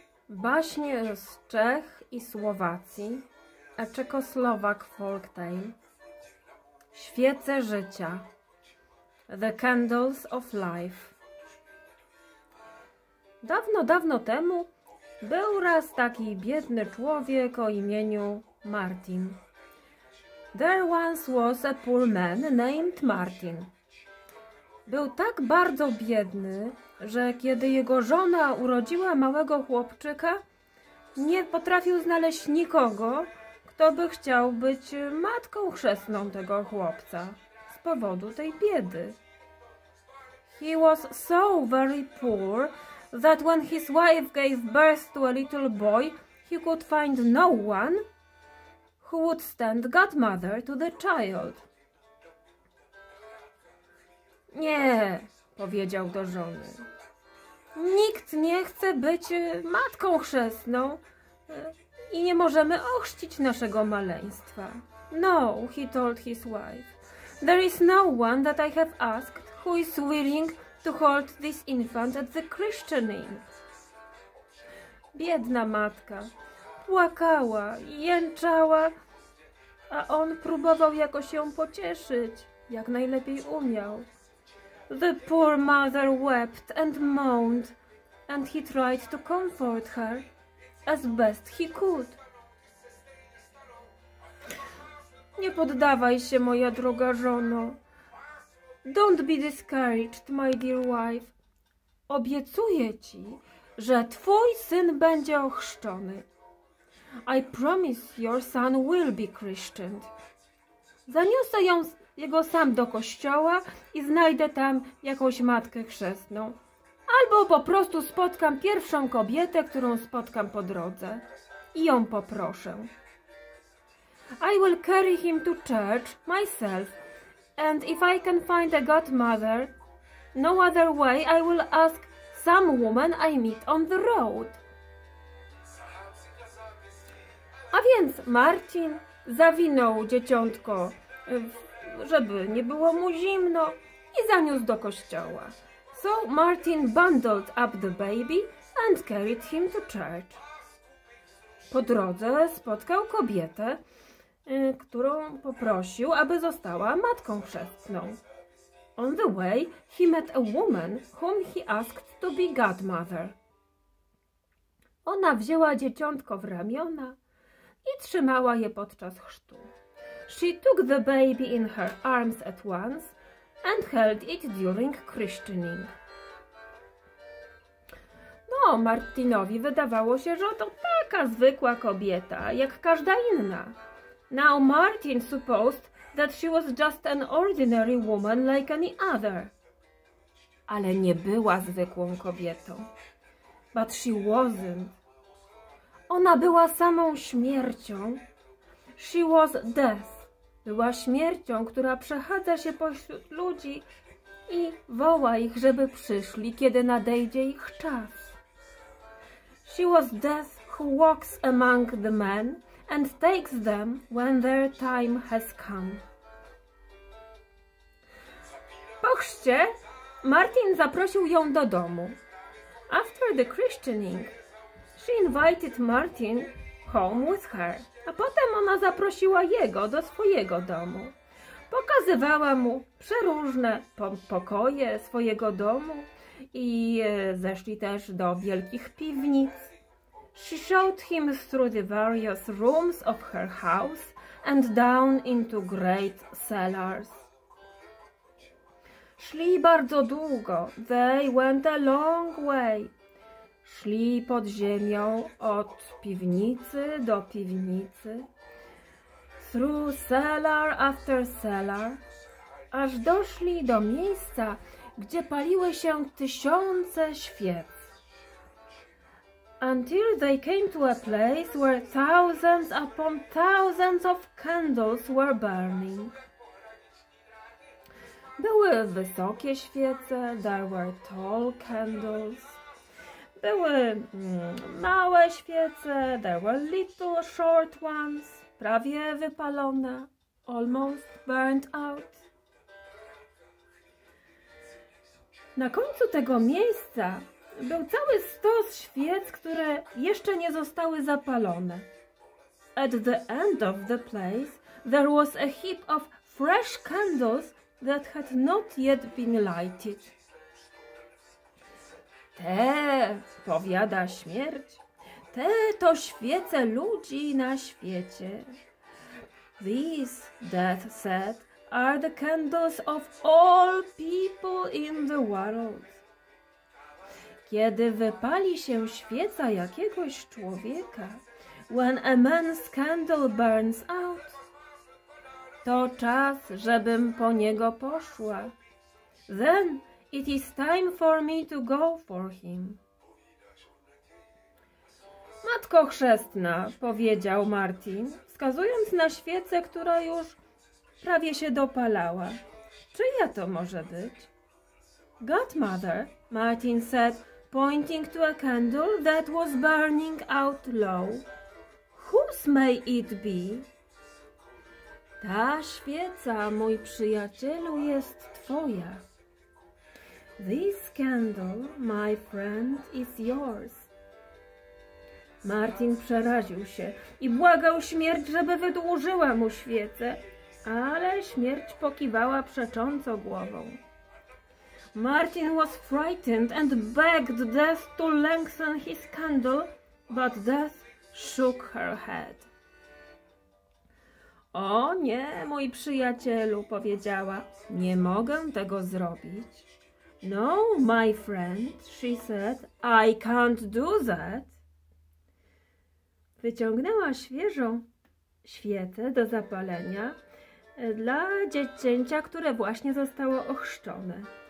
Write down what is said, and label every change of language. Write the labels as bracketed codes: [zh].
[pl] Baśnie z Czech i Słowacji, [en] a Czechoslovak folktale. [pl] Świece życia, [en] The Candles of Life. [pl] Dawno, dawno temu był raz taki biedny człowiek o imieniu Martin. [en] There once was a poor man named Martin. [pl] Był tak bardzo biedny, że kiedy jego żona urodziła małego chłopczyka, nie potrafił znaleźć nikogo, kto by chciał być matką chrzestną tego chłopca z powodu tej biedy. [en] He was so very poor that when his wife gave birth to a little boy, he could find no one who would stand godmother to the child. [pl] Nie, powiedział do żony. Nikt nie chce być matką chrzestną i nie możemy ochrzcić naszego maleństwa. [en] No, he told his wife. There is no one that I have asked who is willing to hold this infant at the christening. [pl] Biedna matka płakała, jęczała, a on próbował jakoś ją pocieszyć, jak najlepiej umiał. [en] The poor mother wept and moaned, and he tried to comfort her as best he could. [pl] Nie poddawaj się, moja droga żono. [en] Don't be discouraged, my dear wife. [pl] Obiecuję ci, że twój syn będzie ochrzczony. [en] I promise your son will be christened. [pl] Zaniosę ją jego sam do kościoła i znajdę tam jakąś matkę chrzestną. Albo po prostu spotkam pierwszą kobietę, którą spotkam po drodze i ją poproszę. [en] I will carry him to church myself, and if I can find a godmother, no other way, I will ask some woman I meet on the road. [pl] A więc Martin zawinął dzieciątko, żeby nie było mu zimno, i zaniósł do kościoła. [en] So Martin bundled up the baby and carried him to church. [pl] Po drodze spotkał kobietę, którą poprosił, aby została matką chrzestną. [en] On the way he met a woman whom he asked to be godmother. [pl] Ona wzięła dzieciątko w ramiona i trzymała je podczas chrztu. [en] She took the baby in her arms at once and held it during christening. [pl] No, Martinowi wydawało się, że to taka zwykła kobieta, jak każda inna. [en] Now Martin supposed that she was just an ordinary woman like any other. [pl] Ale nie była zwykłą kobietą. [en] But she wasn't. [pl] Ona była samą śmiercią. [en] She was death. [pl] Była śmiercią, która przechadza się pośród ludzi i woła ich, żeby przyszli, kiedy nadejdzie ich czas. [en] She was death who walks among the men and takes them when their time has come. [pl] Po chrzcie Martin zaprosił ją do domu. [en] After the christening, she invited Martin home with her. [pl] A potem ona zaprosiła jego do swojego domu. Pokazywała mu przeróżne pokoje swojego domu i zeszli też do wielkich piwnic. [en] She showed him through the various rooms of her house and down into great cellars. [pl] Szli bardzo długo. [en] They went a long way. [pl] Szli pod ziemią od piwnicy do piwnicy, [en] through cellar after cellar, [pl] aż doszli do miejsca, gdzie paliły się tysiące świec. [en] Until they came to a place where thousands upon thousands of candles were burning. [pl] Były wysokie świece, [en] there were tall candles. [pl] Były małe świece, [en] there were little short ones, [pl] prawie wypalone, [en] almost burnt out. [pl] Na końcu tego miejsca był cały stos świec, które jeszcze nie zostały zapalone. [en] At the end of the place, there was a heap of fresh candles that had not yet been lighted. [pl] Te, powiada śmierć, te to świece ludzi na świecie. [en] These, Death said, are the candles of all people in the world. [pl] Kiedy wypali się świeca jakiegoś człowieka, [en] when a man's candle burns out, [pl] to czas, żebym po niego poszła. [en] Then it is time for me to go for him. [pl] Matko Chrzestna, powiedział Martin, wskazując na świecę, która już prawie się dopalała. Czyja to może być? [en] Godmother, Martin said, pointing to a candle that was burning out low. Whose may it be? [pl] Ta świeca, mój przyjacielu, jest twoja. [en] This candle, my friend, is yours. [pl] Martin przeraził się i błagał śmierć, żeby wydłużyła mu świecę, ale śmierć pokiwała przecząco głową. [en] Martin was frightened and begged Death to lengthen his candle, but Death shook her head. [pl] O nie, mój przyjacielu, powiedziała, nie mogę tego zrobić. [en] No, my friend, she said, I can't do that. [pl] Wyciągnęła świeżą świecę do zapalenia dla dziecięcia, które właśnie zostało ochrzczone.